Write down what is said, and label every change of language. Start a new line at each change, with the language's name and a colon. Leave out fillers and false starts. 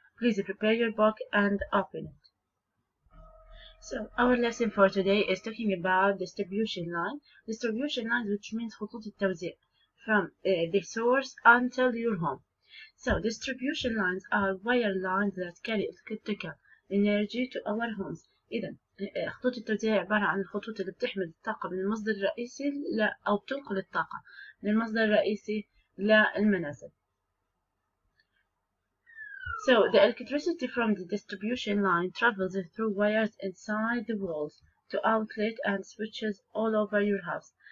English: Please prepare your book and open it. So our lesson for today is talking about distribution line. Distribution line, which means
Arabic: خطوط التوزيع,
English: from the source until your home. So distribution lines are wire lines that carry electrical energy to our homes.
Arabic: اذا خطوط التوزيع عبارة عن الخطوط اللي بتحمل الطاقة من المصدر الرئيسي او بتنقل الطاقة من المصدر الرئيسي للمنازل.
English: So the electricity from the distribution line travels through wires inside the walls to outlet and switches all over your house.